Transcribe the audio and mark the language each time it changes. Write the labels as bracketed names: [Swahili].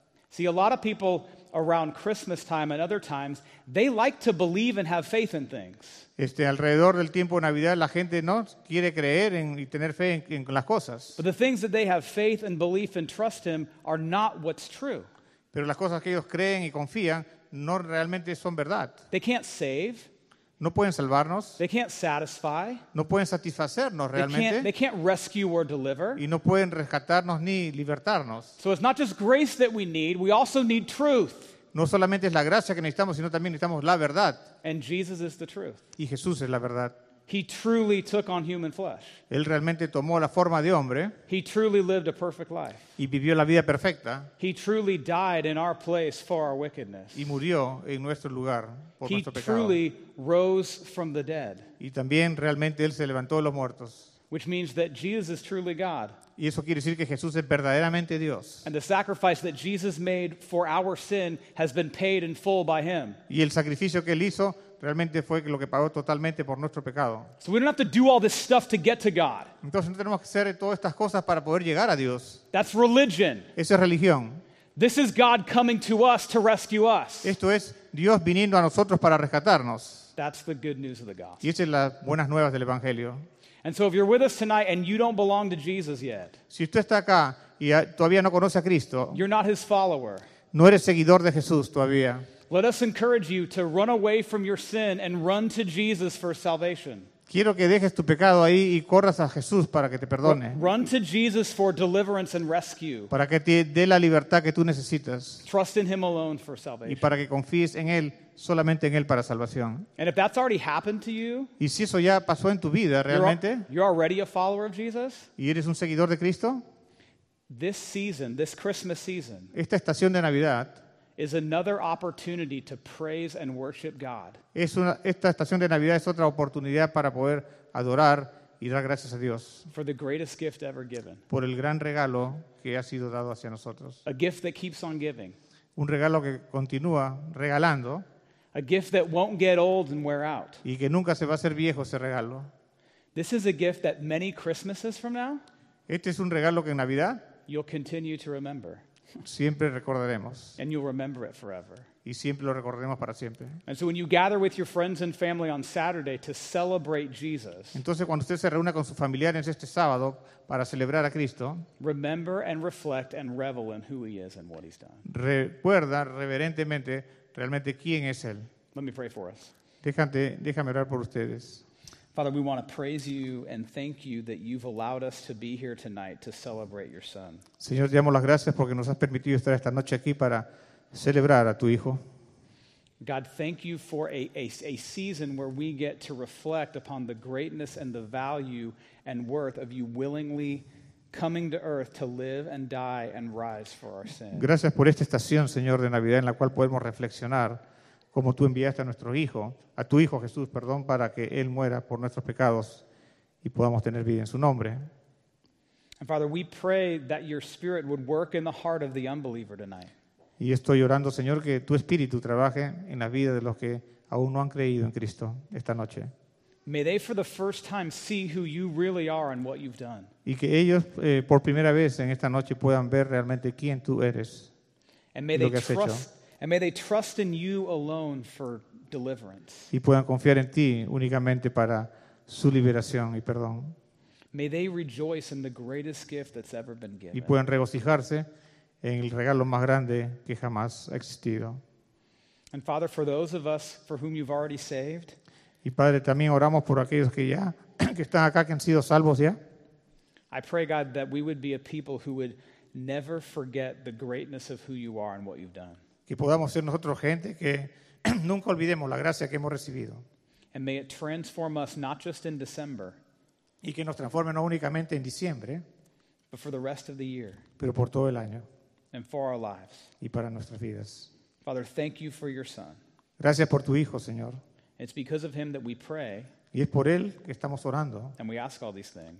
[English] See, a lot of people around Christmas time and other times, they like to believe and have faith in things. [Spanish] Alrededor del tiempo de Navidad, la gente no quiere creer y tener fe en las cosas. [English] But the things that they have faith and belief and trust in are not what's true. [Spanish] Pero las cosas que ellos creen y confían no realmente son verdad. [English] They can't save. [Spanish] No pueden salvarnos. [English] They can't satisfy. [Spanish] No pueden satisfacernos realmente. [English] They can't rescue or deliver. [Spanish] Y no pueden rescatarnos ni libertarnos. [English] So it's not just grace that we need, we also need truth. [Spanish] No solamente es la gracia que necesitamos, sino también necesitamos la verdad. [English] And Jesus is the truth. [Spanish] Y Jesús es la verdad. [English] He truly took on human flesh. [Spanish] Él realmente tomó la forma de hombre. [English] He truly lived a perfect life. [Spanish] Y vivió la vida perfecta. [English] He truly died in our place for our wickedness. [Spanish] Y murió en nuestro lugar por nuestro pecado. [English] He truly rose from the dead. [Spanish] Y también realmente él se levantó de los muertos. [English] Which means that Jesus is truly God. [Spanish] Y eso quiere decir que Jesús es verdaderamente Dios. [English] And the sacrifice that Jesus made for our sin has been paid in full by Him. [Spanish] Y el sacrificio que él hizo realmente fue lo que pagó totalmente por nuestro pecado. [English] So we don't have to do all this stuff to get to God. [Spanish] Entonces no tenemos que hacer todas estas cosas para poder llegar a Dios. [English] That's religion. [Spanish] Eso es religión. [English] This is God coming to us to rescue us. [Spanish] Esto es Dios viniendo a nosotros para rescatarnos. [English] That's the good news of the gospel. [Spanish] Y esas son las buenas nuevas del evangelio. [English] And so if you're with us tonight and you don't belong to Jesus yet, [Spanish] si usted está acá y todavía no conoce a Cristo, [English] you're not his follower. [Spanish] No eres seguidor de Jesús todavía. [English] Let us encourage you to run away from your sin and run to Jesus for salvation. [Spanish] Quiero que dejes tu pecado ahí y corras a Jesús para que te perdone. [English] Run to Jesus for deliverance and rescue. [Spanish] Para que te dé la libertad que tú necesitas. [English] Trust in him alone for salvation. [Spanish] Y para que confíes en él, solamente en él para salvación. [English] And if that's already happened to you, [Spanish] y si eso ya pasó en tu vida realmente, [English] you're already a follower of Jesus, [Spanish] y eres un seguidor de Cristo, [English] this season, this Christmas season, [Spanish] esta estación de Navidad, [English] is another opportunity to praise and worship God. [Spanish] Es una, esta estación de Navidad es otra oportunidad para poder adorar y dar gracias a Dios. [English] For the greatest gift ever given. [Spanish] Por el gran regalo que ha sido dado hacia nosotros. [English] A gift that keeps on giving. [Spanish] Un regalo que continúa regalando. [English] A gift that won't get old and wear out. [Spanish] Y que nunca se va a hacer viejo ese regalo. [English] This is a gift that many Christmases from now, [Spanish] este es un regalo que en Navidad, [English] you'll continue to remember. [Spanish] Siempre recordaremos. [English] And you'll remember it forever. [Spanish] Y siempre lo recordaremos para siempre. [English] And so when you gather with your friends and family on Saturday to celebrate Jesus, [Spanish] entonces cuando usted se reúne con sus familiares este sábado para celebrar a Cristo, [English] remember and reflect and revel in who he is and what he's done. [Spanish] Recuerda reverentemente realmente quién es él. [English] Let me pray for us. [Spanish] Déjame orar por ustedes. [English] Father, we want to praise you and thank you that you've allowed us to be here tonight to celebrate your son. [Spanish] Señor, te damos las gracias porque nos has permitido estar esta noche aquí para celebrar a tu hijo. [English] God, thank you for a season where we get to reflect upon the greatness and the value and worth of you willingly coming to earth to live and die and rise for our sin. [Spanish] Gracias por esta estación, Señor, de Navidad en la cual podemos reflexionar como tú enviaste a nuestro hijo, a tu hijo Jesús, perdón, para que él muera por nuestros pecados y podamos tener vida en su nombre. [English] And Father, we pray that your spirit would work in the heart of the unbeliever tonight. [Spanish] Y estoy orando, Señor, que tu espíritu trabaje en la vida de los que aún no han creído en Cristo esta noche. [English] May they for the first time see who you really are and what you've done. [Spanish] Y que ellos por primera vez en esta noche puedan ver realmente quién tú eres. [English] And may they trust in you alone for deliverance. [Spanish] Y puedan confiar en ti únicamente para su liberación y perdón. [English] May they rejoice in the greatest gift that's ever been given. [Spanish] Y puedan regocijarse en el regalo más grande que jamás ha existido. [English] And Father, for those of us for whom you've already saved. [Spanish] Y Padre, también oramos por aquellos que ya que están acá que han sido salvos ya. [English] I pray God that we would be a people who would never forget the greatness of who you are and what you've done. [Spanish] Que podamos ser nosotros gente que nunca olvidemos la gracia que hemos recibido. [English] And may it transform us not just in December, [Spanish] y que nos transforme no únicamente en diciembre, [English] but for the rest of the year, [Spanish] pero por todo el año, [English] and for our lives. [Spanish] Y para nuestras vidas. [English] Father, thank you for your son. [Spanish] Gracias por tu hijo, Señor. [English] It's because of him that we pray, [Spanish] y es por él que estamos orando, [English] and we ask all these things.